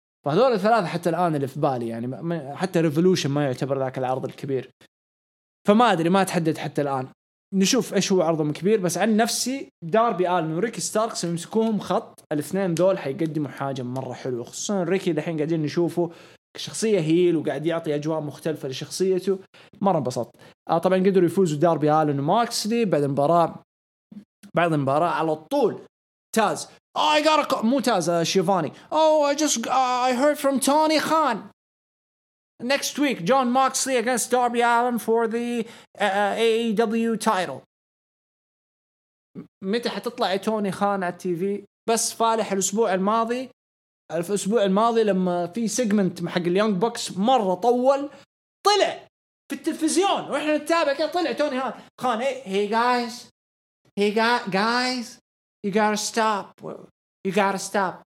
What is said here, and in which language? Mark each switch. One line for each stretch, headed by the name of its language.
Arabic: فهذول الثلاثة حتى الآن اللي في بالي, يعني حتى ريفولوشن ما يعتبر ذاك العرض الكبير, فما أدري ما تحدد حتى الآن. نشوف ايش هو عرضهم كبير. بس عن نفسي داربي آل من ريكي ستاركس يمسكوهم خط الاثنين دول حيقدموا حاجة مرة حلوة, خصوصا ريكي دحين قاعدين نشوفه شخصية هيل وقاعد يعطي أجواء مختلفة لشخصيته, مرة انبسط. طبعا قدروا يفوزوا داربي آل وماكسلي بعد المباراة, بعد المباراة على طول تاز
English: I got a call.
Arabic: مو تاز شيفاني
English: Oh I just I heard from Tony Khan Next week, John Moxley against Darby Allin for the AEW title.
Arabic: متى حتطلع توني خان على التي في؟ بس فالح الأسبوع الماضي, الأسبوع الماضي لما في سيجمنت حق اليونج بوكس مرة طول طلع في التلفزيون وإحنا نتابع كده, طلع توني خان
English: Hey guys, you gotta stop.